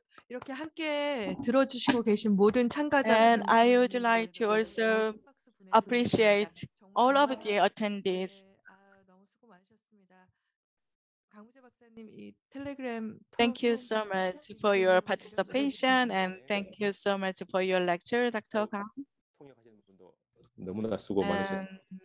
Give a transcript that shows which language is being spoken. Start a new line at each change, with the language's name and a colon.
Korean: 이렇게 함께 들어주시고 계신 모든 참가자
English: And I would like to also appreciate all of the attendees.
Korean: 너무 수고 많으셨습니다. 강우재 박사님 이 텔레그램
English: Thank you so much for your participation and thank you so much for your lecture, Dr. Kang.
Korean: 통역하시는 분도 너무나 수고 많으셨습니다.